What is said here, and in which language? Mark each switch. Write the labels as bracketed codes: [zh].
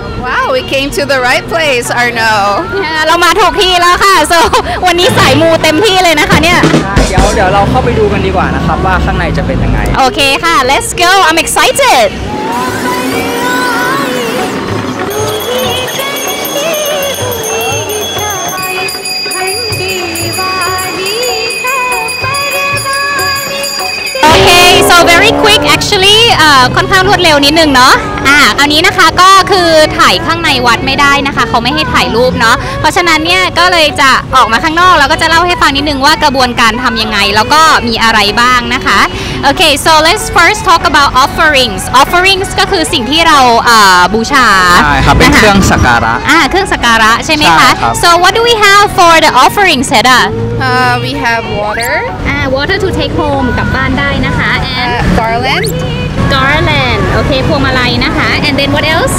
[en] wow we came to the right place Arno [th] เรามาถูกที่แล้วค่ะ so วันนี้สายมูเต็มที่เลยนะคะเนี่ย เดี๋ยวเราเข้าไปดูกันดีกว่านะครับว่าข้างในจะเป็นยังไง โอเคค่ะ let's go I'm excitedvery quick actually ค่อนข้างรวดเร็วนิดนึงเนาะเอานี้นะคะก็คือถ่ายข้างในวัดไม่ได้นะคะเขาไม่ให้ถ่ายรูปเนาะเพราะฉะนั้นเนี่ยก็เลยจะ ออกมาข้างนอกแล้วก็จะเล่าให้ฟังนิดนึงว่ากระบวนการทำยังไงแล้วก็มีอะไรบ้างนะคะโอเค [en] so let's first talk about offerings offerings [th] ก็คือสิ่งที่เราบูชา ใช่ครับเป็นเครื่องสักการะ เครื่องสักการะใช่ไหมคะ ใช่ครับ [en] so what do we have for the offerings here we have water water to take home [th] กลับบ้านได้นะคะ [en] and garland okay [th] พวงมาลัยนะคะ [en] and then what else